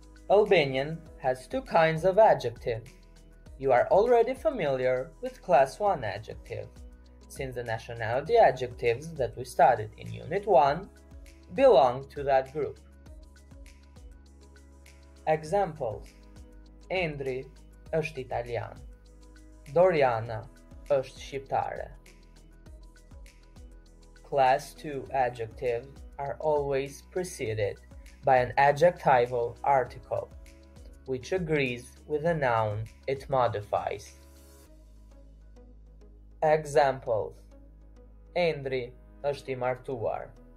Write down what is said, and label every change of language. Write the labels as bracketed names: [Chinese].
[English] Albanian has two kinds of adjectives. You are already familiar with class 1 adjective, since the nationality adjectives that we studied in unit 1 belong to that group. [Albanian] Examples: Endri është italian. Doriana është shqiptare. [English] Class 2 adjectives are always preceded by an adjectival article, which agrees with the noun it modifies. [Albanian] Examples: Endri është i martuar.